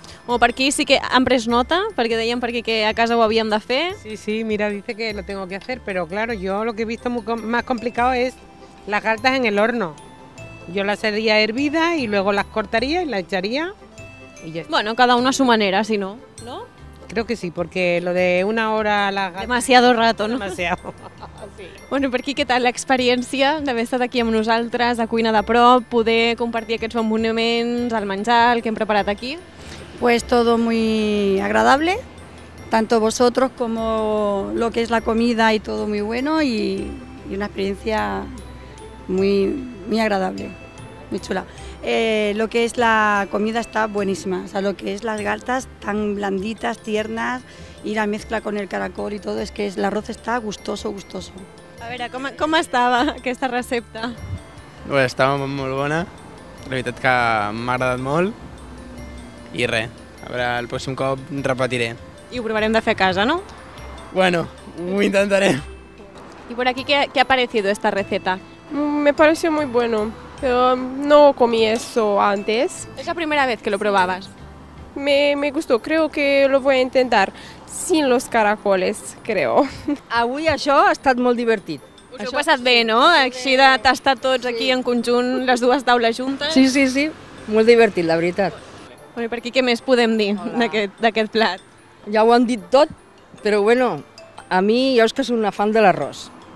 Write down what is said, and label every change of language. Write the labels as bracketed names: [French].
[Catalan] O per aquí sí que han pres nota, perquè deien per aquí que a casa ho havíem de fer. [Spanish] Sí, sí, mira, dice que lo tengo que hacer, pero claro, yo lo que he visto más complicado es las galtas en el horno. Yo las haría hervida y luego las cortaría y las echaría y ya está. Bueno, cada uno a su manera, si no, ¿no? Creo que sí, porque lo de una hora a las galtas... Demasiado rato, ¿no? Demasiado. [Catalan] Bueno, per aquí què tal l'experiència d'haver estat aquí amb nosaltres, a cuina de prop, poder compartir aquests bons moments, el menjar, el que hem preparat aquí? [Spanish] Pues todo muy agradable, tanto vosotros como lo que es la comida y todo muy bueno y una experiencia muy, muy agradable, muy chula. Lo que es la comida está buenísima, o sea, lo que es las galtas tan blanditas, tiernas y la mezcla con el caracol y todo, es que el arroz está gustoso, gustoso. A ver, ¿cómo estaba esta receta? Bueno, estaba muy buena, la verdad que me ha agradado mucho. [Catalan] I res, a veure, el pròxim cop repetiré. I ho provarem de fer a casa, no? Bueno, ho intentaré. [Spanish] ¿Y por aquí qué ha parecido esta receta? Me pareció muy bueno, pero no comí eso antes. ¿Es la primera vez que lo probabas? Me gustó, creo que lo voy a intentar sin los caracoles, creo. [Catalan] Avui això ha estat molt divertit. Us això ho ha passat bé, no? Així de tastar tots sí. Aquí en conjunt, les dues taules juntes. Sí, sí, sí, molt divertit, la veritat. Bueno, per aquí què més podem dir d'aquest plat? Ja ho han dit tot, però bueno, a mi jo és que soc una fan de l'arròs.